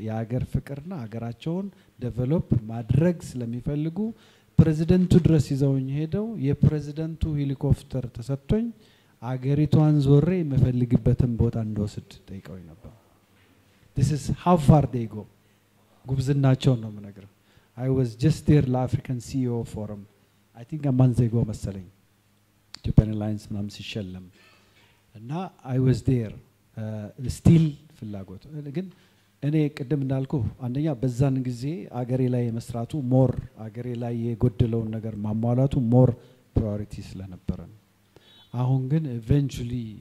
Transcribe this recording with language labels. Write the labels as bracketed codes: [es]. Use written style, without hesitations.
[am] የሀገር ፍቅርና ሀገራቸውን ዴቨሎፕ ማድረግ ስለሚፈልጉ ፕሬዝደንቱ ድረስ ይዘውኝ ሄደው የፕሬዝደንቱ ሄሊኮፕተር ተሰጥቶኝ አገሪቷን ዞሬ የምፈልግበትን ቦታ እንደወስድ ጠይቀውኝ ነበር። [en] This is how far they go. [am] ጉብዝናቸው ነው የምነግረው። [en] I was just there la African CEO forum. I think a month ago [am] መሰለኝ Japan Airlines ምናምን ሲሸለም እና አይ ዋዝ ዴር ስቲል ፍላጎት ግን እኔ ቀደም እንዳልኩ አንደኛ በዛን ጊዜ አገሬ ላይ የመስራቱ ሞር አገሬ ላይ የጎደለውን ነገር ማሟላቱ ሞር ፕራዮሪቲ ስለነበረ አሁን ግን ኢቨንቹሊ